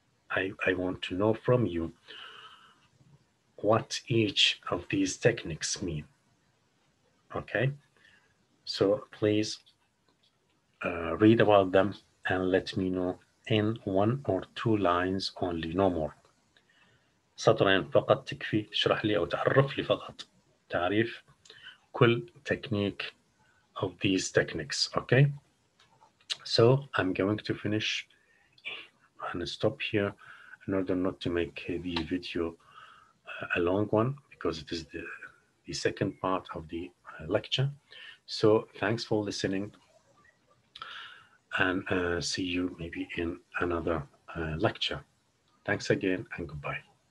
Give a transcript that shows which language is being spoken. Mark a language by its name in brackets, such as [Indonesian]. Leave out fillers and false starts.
[English] I want to know from you what each of these techniques mean. Okay, so please read about them and let me know in one or two lines only, no more. [Arabic] سطرين فقط تكفي اشرح لي او تعرف لي فقط تعريف كل [English] technique of these techniques. Okay, so I'm going to finish and stop here in order not to make the video a long one, because it is the second part of the lecture. So thanks for listening, and see you maybe in another lecture. Thanks again and goodbye.